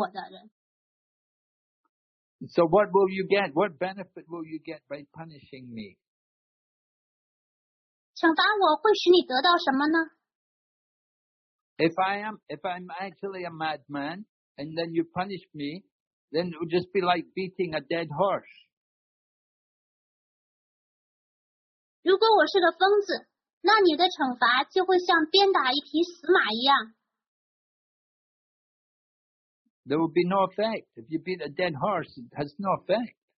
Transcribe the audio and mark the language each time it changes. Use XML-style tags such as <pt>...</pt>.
<zh>我虽然表面上像是傻子、聋子、瞎子一样，但实际上却是完全觉悟了自我的人。So</zh> <en>what will you get? What benefit will you get by punishing me?</en> <zh>惩罚我会使你得到什么呢？</zh> <en>If I'm actually a madman and then you punish me, then it would just be like beating a dead horse.</en> <zh>如果我是个疯子，那你的惩罚就会像鞭打一匹死马一样。There</zh> <en>will be no effect. If you beat a dead horse, it has no effect.</en>